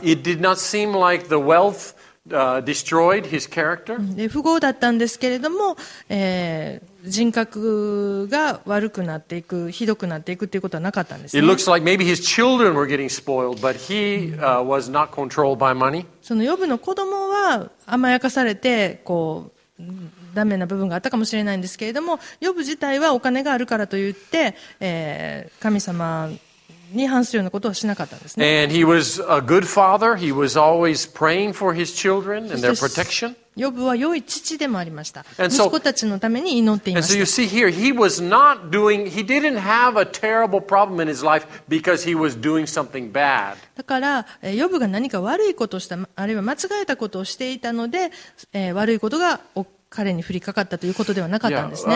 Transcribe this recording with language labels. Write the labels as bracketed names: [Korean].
[English] But it did not seem like the wealth destroyed his character. [Japanese] 富豪だったんですけれども、人格が悪くなっていく、ひどくなっていくということはなかったんですね。 [English] It looks like maybe his children were getting spoiled, but he was not controlled by money. [Japanese] そのヨブの子供は甘やかされてこうダメな部分があったかもしれないんですけれども、ヨブ自体はお金があるからといって、神様に反するようなことはしなかったんですね。 [English] And he was a good father. He was always praying for his children and their protection. [Japanese] ヨブは良い父でもありました。息子たちのために祈っていました。 [English] And so you see here, he was not doing. He didn't have a terrible problem in his life because he was doing something bad. [Japanese] だからヨブが何か悪いことをした、あるいは間違えたことをしていたので、悪いことが彼に降りかかったということではなかったんですね。